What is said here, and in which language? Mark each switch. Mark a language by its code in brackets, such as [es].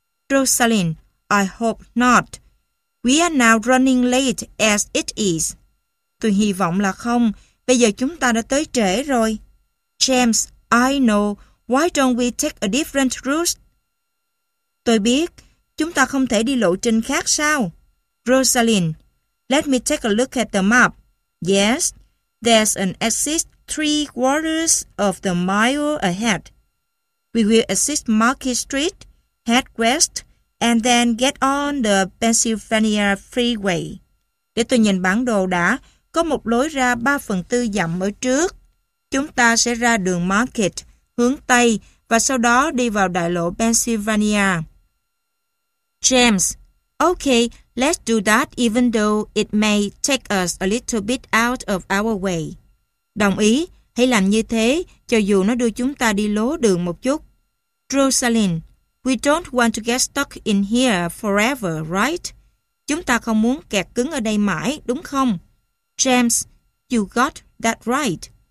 [en] Rosaline. I hope not. We are now running late as it is. [vi] Tôi hy vọng là không. Bây giờ chúng ta đã tới trễ rồi. [en] James, I know. Why don't we take a different route? [vi] Tôi biết. Chúng ta không thể đi lộ trình khác sao? [en] Rosaline, let me take a look at the map. Yes, there's an exit 3/4 of the mile ahead. We will exit Market Street, head west, and then get on the Pennsylvania Freeway. [vi] Để tôi nhìn bản đồ đã, có một lối ra 3/4 dặm ở trước. Chúng ta sẽ ra đường Market, hướng Tây, và sau đó đi vào đại lộ Pennsylvania. [en] James, okay, let's do that even though it may take us a little bit out of our way. [vi] Đồng ý, hãy làm như thế, cho dù nó đưa chúng ta đi lố đường một chút. [en] Rosaline, we don't want to get stuck in here forever, right? [vi] Chúng ta không muốn kẹt cứng ở đây mãi, đúng không? [en] James, you got that right.